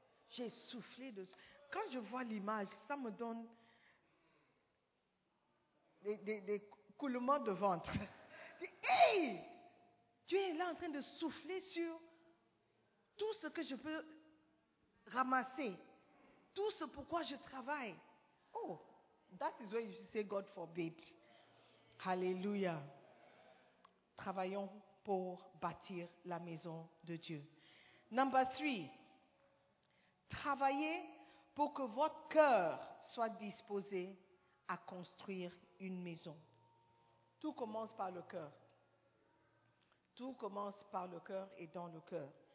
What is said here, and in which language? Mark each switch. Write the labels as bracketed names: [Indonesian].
[French] J'ai soufflé de... Quand je vois l'image, ça me donne des coulements de ventre. Hey! Tu es là en train de souffler sur tout ce que je peux ramasser, tout ce pourquoi je travaille. [English] Oh, that is why you say God forbid. Hallelujah. [French] Travaillons pour bâtir la maison de Dieu. [English] Number three, [French] travaillez pour que votre cœur soit disposé à construire une maison. Tout commence par le cœur. Tout commence par le cœur et dans le cœur.